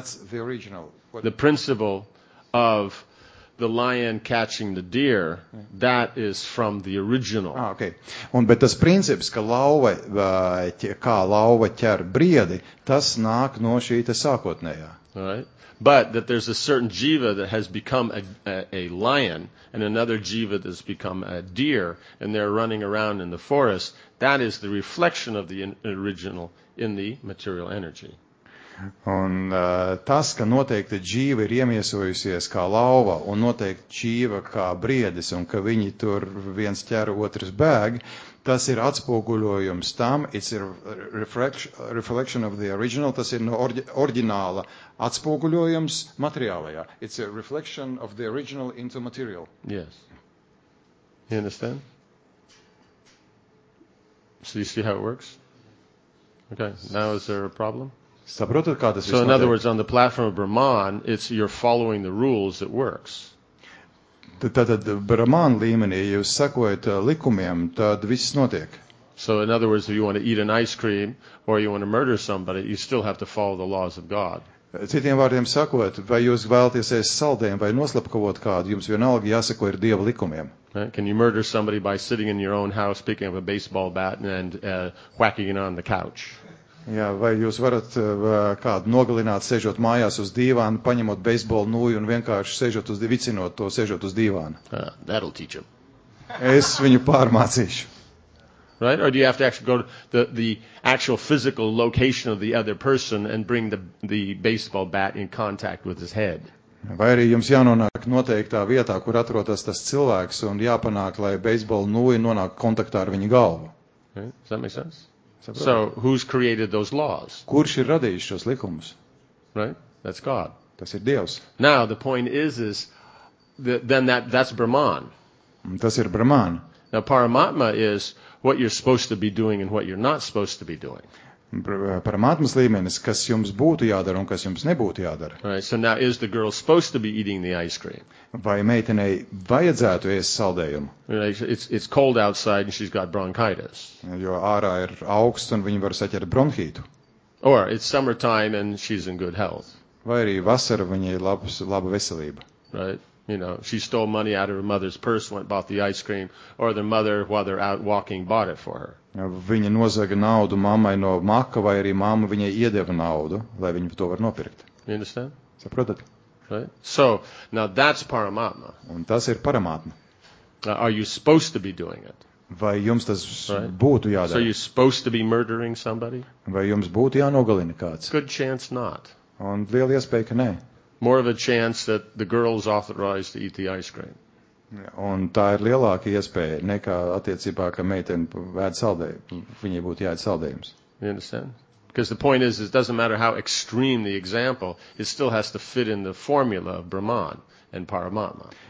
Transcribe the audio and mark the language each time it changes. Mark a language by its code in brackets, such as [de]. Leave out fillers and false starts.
[en] The principle of the lion catching the deer, that is from the original. Ah, okay. [lv] Un, bet tas princips, ka lauva, kā lauva ķer briedi, tas nāk no šīta sākotnējā. [en] Right. But that there's a certain jiva that has become a lion and another jiva that has become a deer and they're running around in the forest, that is the reflection of the original in the material energy. [lv] Un tas, ka noteikti jiva ir iemiesojusies kā lauva un noteikti jiva kā briedis un ka viņi tur viens ķer otrs bēg, tas ir atspoguļojums tam, [en] it's a reflection of the original, [lv] tas ir no oriģināla atspoguļojums materiālajā. [en] It's a reflection of the original into material. Yes. You understand? So you see how it works? Okay. Now is there a problem? [lv] Saprotat, kā tas [en] so in other words, on the platform of Brahman, it's you're following the rules, it works. [lv] Tad Brahman līmenī, jūs sakojat likumiem, tad viss notiek. [en] So in other words, if you want to eat an ice cream or you want to murder somebody, you still have to follow the laws of God. [lv] Citiem vārdiem sakot, vai jūs vēlaties ēst saldējumu vai noslepkavot kādu, jums vienalga jāseko ir Dieva likumiem. [en] Can you murder somebody by sitting in your own house, picking up a baseball bat and whacking it on the couch? [lv] Jā, vai jūs varat kādu nogalināt, sežot mājās uz dīvānu, paņemot baseball nūju un vienkārši sežot uz vicinot to, sežot uz dīvānu? [en] That'll teach him. [lv] Es viņu pārmācīšu. [en] Right? Or do you have to actually go to the actual physical location of the other person and bring the baseball bat in contact with his head? [lv] Vai arī jums jānonāk noteiktā vietā, kur atrodas tas cilvēks, un jāpanāk, lai baseball nūja nonāk kontaktā ar viņa galvu? [en] Does that make sense? So who's created those laws? [lv] Kurš ir radījis šos likumus? [en] Right? That's God. [lv] Tas ir Dievs. [en] Now the point is that, then that's Brahman. [lv] Tas ir Brahman. [en] Now Paramatma is what you're supposed to be doing and what you're not supposed to be doing. [lv] Paramatmas līmenis, kas jums būtu jādara un kas jums nebūtu jādara. [en] Right, so now is the girl supposed to be eating the ice cream? [lv] Vai meitenei vajadzētu ēst saldējumu? [en] Right, it's cold outside and she's got bronchitis. [lv] Jo ārā ir auksts un viņa var saķert bronhītu. [en] Or it's summertime and she's in good health. [lv] Vai arī vasara viņai ir laba veselība. [en] Right. You know, she stole money out of her mother's purse, went and bought the ice cream, or the mother, while they're out walking, bought it for her. [lv] Viņa nozaga naudu mammai no maka, vai arī mamma viņai iedeva naudu, lai viņa to var nopirkt. [en] You understand? [lv] Saprotat? [en] Right. So, now that's Paramatma. [lv] Un tas ir Paramatma. [en] Are you supposed to be doing it? [lv] Vai jums tas [en] right? [lv] būtu jādara? [en] So you're supposed to be murdering somebody? [lv] Vai jums būtu jānogalina kāds? [en] Good chance not. [lv] Un liela iespēja, ka nē. [en] More of a chance that the girl is authorized to eat the ice cream. [lv] Un tā ir lielāka iespēja nekā attiecībā, ka meitene ēd saldējumu, viņai būtu jāēd saldējums. [en] You understand? Because the point is, it doesn't matter how extreme the example, it still has to fit in the formula of Brahman and Paramatma.